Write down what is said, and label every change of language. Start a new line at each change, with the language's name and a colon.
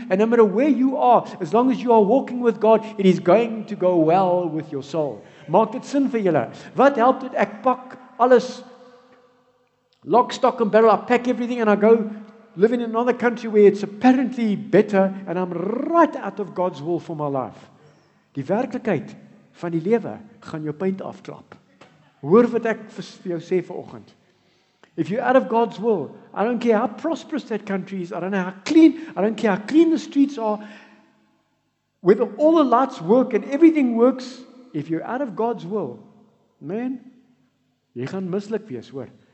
English: And no matter where you are, as long as you are walking with God, it is going to go well with your soul.
Afrikaans: Maak dit sin vir julle. Wat help dit? Ek pak alles.
English: Lock, stock and barrel. I pack everything and I go live in another country where it's apparently better and I'm right out of God's will for my life.
Afrikaans: Die werklikheid van die lewe gaan jou pynt afklap. Hoor wat ek vir jou sê vanoggend.
English: If you're out of God's will, I don't care how prosperous that country is, I don't care how clean the streets are, whether all the lights work and everything works, if you're out of God's will, man,
Afrikaans: jy gaan mislik wees, hoor.